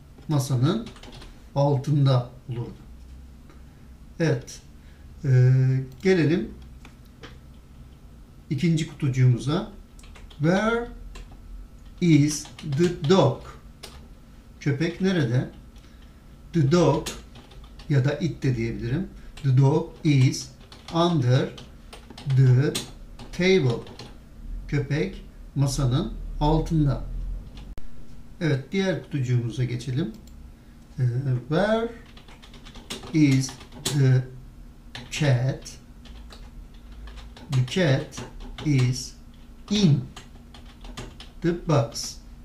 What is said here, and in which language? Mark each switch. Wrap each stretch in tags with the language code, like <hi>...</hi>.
<tr>Masanın altında olurdu. Evet. Gelelim ikinci kutucuğumuza.</tr> <en>Where is the dog?</en> <tr>Köpek nerede?</tr> <en>The dog</en> <tr>ya da it de diyebilirim.</tr> <en>The dog is under the table.</en> <tr>Köpek masanın altında. Evet, diğer kutucuğumuza geçelim.</tr> <en>Where is the cat? The cat is in the box.</en>